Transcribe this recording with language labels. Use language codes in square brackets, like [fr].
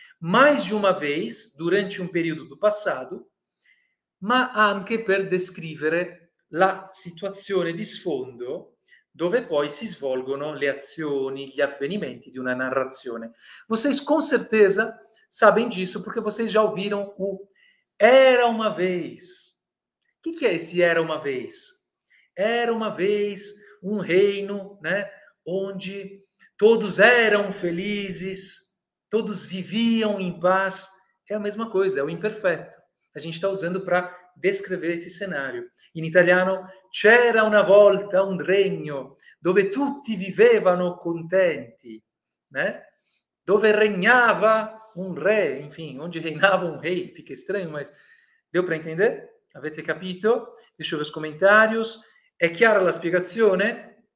[pt] mais de uma vez durante um período do passado, [it] ma anche per descrivere la situazione di sfondo dove poi si svolgono le azioni, gli avvenimenti di una narrazione. [pt] Vocês com certeza sabem disso porque vocês já ouviram o era uma vez. Que é esse era uma vez? Era uma vez um reino, né, onde todos eram felizes, todos viviam em paz. É a mesma coisa, é o imperfeito. A gente está usando para descrever esse cenário. Em italiano, [it] c'era una volta un regno dove tutti vivevano contenti, né? Dove regnava un re, [pt] enfim, onde reinava um rei. Fica estranho, mas deu para entender? [it] Avete capito? [pt] Deixa eu ver os comentários. [it] É chiara la spiegazione?